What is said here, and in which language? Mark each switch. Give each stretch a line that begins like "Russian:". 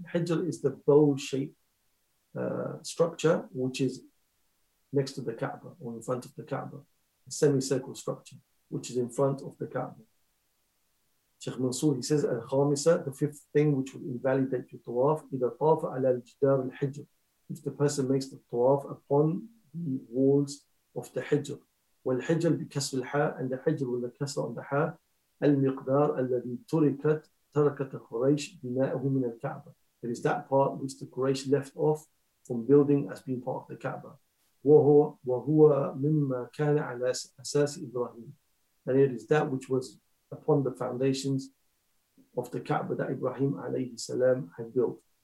English: Hijr is the bow-shaped structure which is next to the Kaaba or in front of the Kaaba, a semicircle structure which is in front of the Kaaba. Sheikh Mansour, he says,
Arabic: الخامسة,
English: the fifth thing which would invalidate your tawaf,
Arabic: إِذَا طَافَ عَلَى الْجِدَارِ الْحِجْرِ,
English: if the person makes the tawaf upon the walls of the Hijr.
Arabic: وَالْحِجْرِ بِكَسْرِ الْحَا,
English: and the Hijr with the kasra on the Ha,
Arabic: الْمِقْدَارِ الَّذِي تُرِكَتْ تَرَكَتْ خُرَيْشِ بِنَاءُهُ مِنَ الْكَعْبَةِ,
English: It is that part which the Quraysh left off from building as being part of the Kaaba.
Arabic: وَهُوَ مِمَّا كَانَ عَلَى أَسَاسِ إِبْرَاهِيمِ.
English: And it is that which was upon the foundations of the Kaaba that Ibrahim alayhi salam had built.